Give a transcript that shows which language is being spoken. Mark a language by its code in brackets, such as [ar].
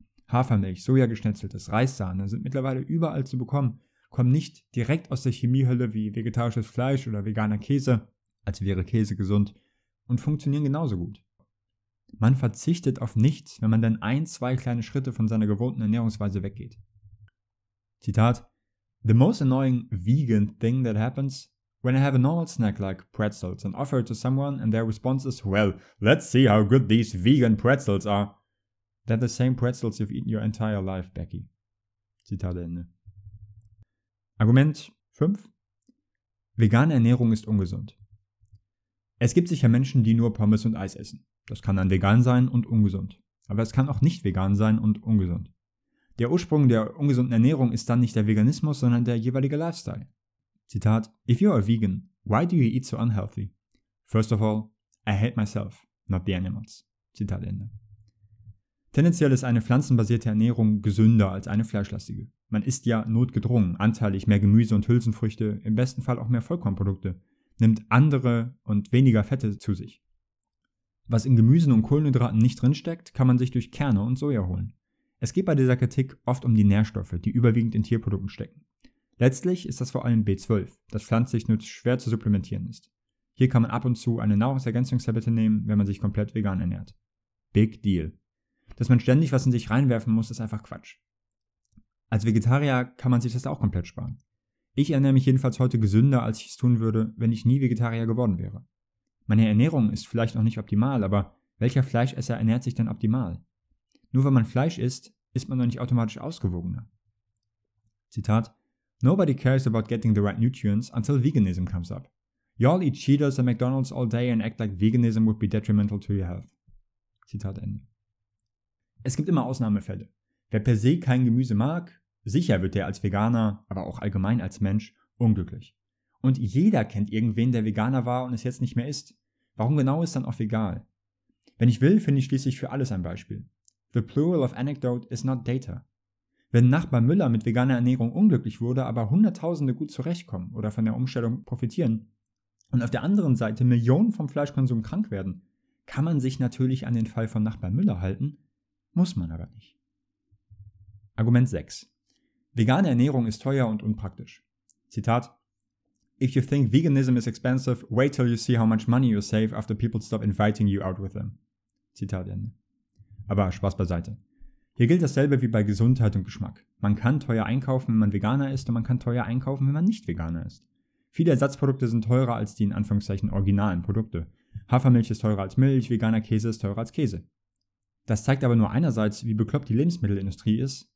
[de] Hafermilch, Sojageschnetzeltes, Reissahne sind mittlerweile überall zu bekommen, kommen nicht direkt aus der Chemiehölle wie vegetarisches Fleisch oder veganer Käse, als wäre Käse gesund, und funktionieren genauso gut. Man verzichtet auf nichts, wenn man dann ein, zwei kleine Schritte von seiner gewohnten Ernährungsweise weggeht. [en] Zitat: The most annoying vegan thing that happens, when I have a normal snack like pretzels and offer it to someone and their response is, well, let's see how good these vegan pretzels are. They're the same pretzels you've eaten your entire life, Becky. [de] Zitat Ende. Argument 5. Vegane Ernährung ist ungesund. Es gibt sicher Menschen, die nur Pommes und Eis essen. Das kann dann vegan sein und ungesund. Aber es kann auch nicht vegan sein und ungesund. Der Ursprung der ungesunden Ernährung ist dann nicht der Veganismus, sondern der jeweilige Lifestyle. [en] Zitat: If you are vegan, why do you eat so unhealthy? First of all, I hate myself, not the animals. [de] Zitat Ende. Tendenziell ist eine pflanzenbasierte Ernährung gesünder als eine fleischlastige. Man isst ja notgedrungen anteilig mehr Gemüse und Hülsenfrüchte, im besten Fall auch mehr Vollkornprodukte, nimmt andere und weniger Fette zu sich. Was in Gemüsen und Kohlenhydraten nicht drinsteckt, kann man sich durch Kerne und Soja holen. Es geht bei dieser Kritik oft um die Nährstoffe, die überwiegend in Tierprodukten stecken. Letztlich ist das vor allem B12, das pflanzlich nur schwer zu supplementieren ist. Hier kann man ab und zu eine Nahrungsergänzungstablette nehmen, wenn man sich komplett vegan ernährt. [en] Big deal. [de] Dass man ständig was in sich reinwerfen muss, ist einfach Quatsch. Als Vegetarier kann man sich das auch komplett sparen. Ich ernähre mich jedenfalls heute gesünder, als ich es tun würde, wenn ich nie Vegetarier geworden wäre. Meine Ernährung ist vielleicht noch nicht optimal, aber welcher Fleischesser ernährt sich denn optimal? Nur wenn man Fleisch isst, ist man noch nicht automatisch ausgewogener. [en] Zitat: Nobody cares about getting the right nutrients until veganism comes up. Y'all eat Cheetos and McDonald's all day and act like veganism would be detrimental to your health. [de] Zitat Ende. Es gibt immer Ausnahmefälle. Wer per se kein Gemüse mag, sicher wird er als Veganer, aber auch allgemein als Mensch, unglücklich. Und jeder kennt irgendwen, der Veganer war und es jetzt nicht mehr ist. Warum genau ist dann auch egal? Wenn ich will, finde ich schließlich für alles ein Beispiel. [en] The plural of anecdote is not data. [de] Wenn Nachbar Müller mit veganer Ernährung unglücklich wurde, aber Hunderttausende gut zurechtkommen oder von der Umstellung profitieren und auf der anderen Seite Millionen vom Fleischkonsum krank werden, kann man sich natürlich an den Fall von Nachbar Müller halten, muss man aber nicht. Argument 6. Vegane Ernährung ist teuer und unpraktisch. [en] Zitat: If you think veganism is expensive, wait till you see how much money you save after people stop inviting you out with them. [de] Zitat Ende. Aber Spaß beiseite. Hier gilt dasselbe wie bei Gesundheit und Geschmack. Man kann teuer einkaufen, wenn man Veganer ist, und man kann teuer einkaufen, wenn man nicht Veganer ist. Viele Ersatzprodukte sind teurer als die in Anführungszeichen originalen Produkte. Hafermilch ist teurer als Milch, veganer Käse ist teurer als Käse. Das zeigt aber nur einerseits, wie bekloppt die Lebensmittelindustrie ist.